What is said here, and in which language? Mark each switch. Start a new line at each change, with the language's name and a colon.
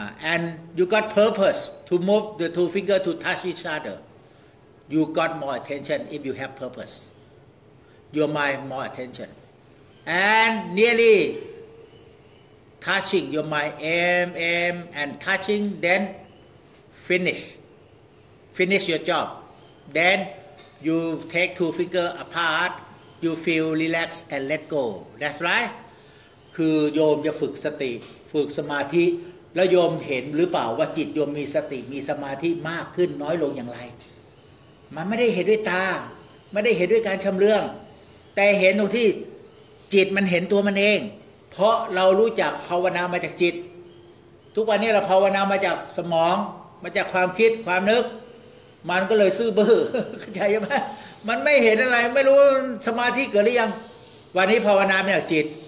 English: and you got purpose to move the two finger to touch each other you got more attention if you have purpose your mind more attentionAnd nearly touching your mind, and touching, then finish your job. Then you take two finger apart, you feel relaxed and let go. That's right.
Thai: คือโยมจะฝึกสติฝึกสมาธิแล้วโยมเห็นหรือเปล่าว่าจิตโยมมีสติมีสมาธิมากขึ้นน้อยลงอย่างไรมันไม่ได้เห็นด้วยตาไม่ได้เห็นด้วยการชำเลืองแต่เห็นตรงที่จิตมันเห็นตัวมันเองเพราะเรารู้จักภาวนามาจากจิตทุกวันนี้เราภาวนามาจากสมองมาจากความคิดความนึกมันก็เลยซื่อบื้อเข้าใจไหมมันไม่เห็นอะไรไม่รู้สมาธิเกิดหรือยังวันนี้ภาวนามาจากจิต